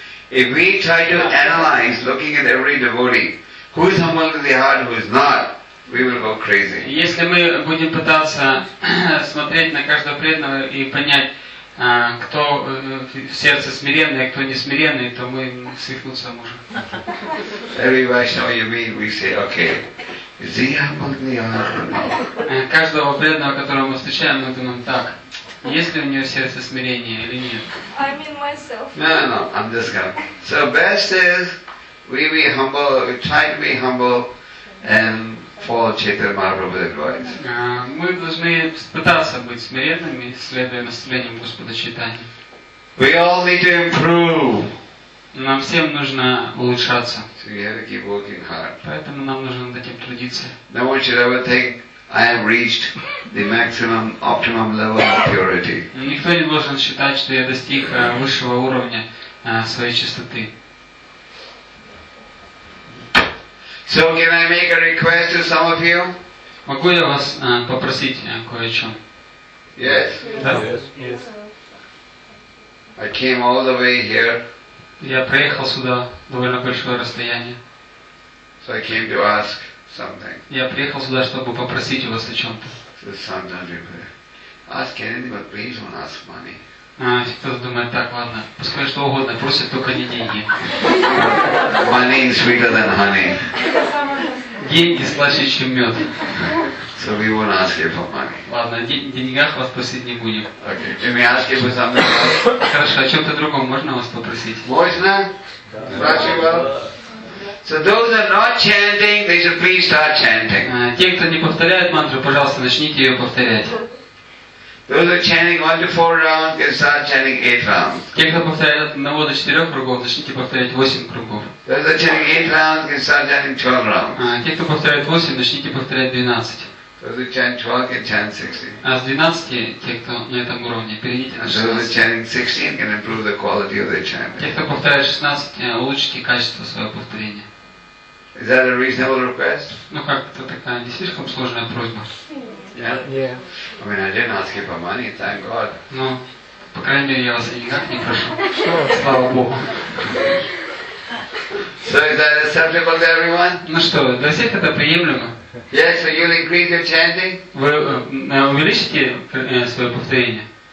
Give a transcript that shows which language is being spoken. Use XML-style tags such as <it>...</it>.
<en>If we try to analyze, looking at every devotee, who's humble and who is not, we will go crazy.</en> <ru>Если мы будем пытаться смотреть на каждого преданного и понять, кто в сердце смиренный, а кто не смиренный, то мы свихнуться можем.</ru> <en>Every Vaishnava you meet, we say, okay, is he humble or not?</en> <ru>Каждого преданного, которого мы встречаем, мы думаем так, есть ли у него сердце смирения или нет?</ru> <en>I mean myself. No, I'm just going. So best is, we be humble, we try to be humble, and follow Chaitanya Mahaprabhu's advice.</en> <ru>Мы должны пытаться быть смиренными, следуя наставлениям Господа Чайтаньи.</ru> <en>We all need to improve.</en> <ru>Нам всем нужно улучшаться.</ru> <en>So we have to keep working hard.</en> <ru>Поэтому нам нужно над этим трудиться.</ru> <en>No one should ever think I have reached the maximum, optimum level of purity.</en> <ru>Никто не должен считать, что я достиг высшего уровня своей чистоты.</ru> <en>So can I make a request to some of you?</en> <ru>Могу я вас попросить кое о чем?</ru> <en>Yes. Yes. I came all the way here.</en> <ru>Я проехал сюда довольно большое расстояние.</ru> <en>So I came to ask something.</en> <ru>Я приехал сюда, чтобы попросить у вас о чем-то.</ru> <en>So sometimes we pray, ask anything, but please don't ask money.</en> <ru>Кто-то думает, так, ладно, пускай что угодно, просят только не деньги.</ru> <en>Money is sweeter than honey.</en> <ru>Деньги слаще, чем мед.</ru> <en>So we won't ask you for money.</en> <ru>Ладно, деньгах вас просить не будем.</ru> <en>Okay. Can we ask you for something else?</en> <ru>Хорошо, о чем-то другом можно вас попросить? Можно?</ru> <en>So those are not chanting, they should please start chanting.</en> <ru>Те, кто не повторяет мантру, пожалуйста, начните ее повторять.</ru> <en>Those are chanting 1-4 rounds, can start chanting 8 rounds.</en> <ru>Те, кто повторяет от 1 до 4 кругов, начните повторять 8 кругов.</ru> <en>Those are chanting 8 rounds, can start chanting 12 rounds.</en> <ru>Те, кто повторяет 8, начните повторять 12.</ru> <en>Those who chant 12 can chant 16.</en> <ru>А с 12, те, кто на этом уровне, перейдите на 16.</ru> <en>Those who chant 16 can improve the quality of their chanting.</en> <ru>Те, кто повторяет 16, улучшите качество своего повторения.</ru> <en>Is that a reasonable request?</en> <ru>Ну как, это такая не слишком сложная просьба.</ru> <en>Yeah? Yeah. I mean, I didn't ask you for money, thank God.</en> <ru>Ну, по крайней мере, я вас никак не прошу. Слава Богу.</ru> <en>So is that acceptable to everyone?</en> <ru>Ну что, для всех это приемлемо.</ru> <en>Yes, so you'll increase your chanting?</en> <ru>Вы увеличите свое повторение?</ru>